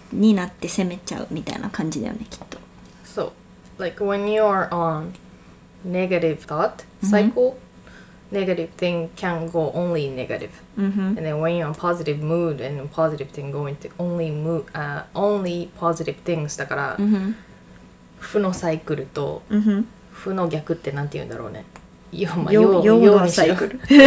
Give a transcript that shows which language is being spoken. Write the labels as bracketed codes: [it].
[ja] うん、になって責めちゃうみたいな感じだよね、きっと。 [en] そう、like when you are on negative thought cycle,、mm-hmm. negative thing can go only negative,、 mm-hmm. and then when you're on positive mood and positive thing going to only mood, only positive things [ja] だから、 mm-hmm. 負のサイクルと、 mm-hmm. 負の逆ってなんて言うんだろうね。ヨーのサイクル。